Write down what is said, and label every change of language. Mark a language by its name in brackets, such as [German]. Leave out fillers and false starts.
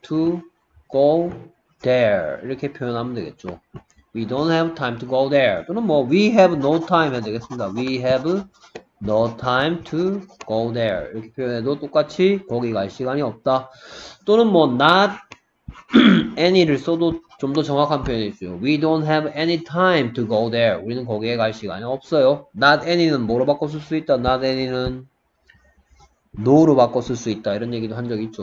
[English] To go there. [Korean] 이렇게 표현하면 되겠죠. [English] We don't have time to go there. [Korean] 또는 뭐 [English] We have no time [Korean] 해도 되겠습니다. [English] We have No time to go there. [Korean] 이렇게 표현해도 똑같이 거기 갈 시간이 없다. 또는 뭐 not any를 써도 좀더 정확한 표현이 있어요. [English] We don't have any time to go there. [Korean] 우리는 거기에 갈 시간이 없어요. not any는 뭐로 바꿔 쓸수 있다? not any는 no로 바꿔 쓸수 있다. 이런 얘기도 한 적이 있죠.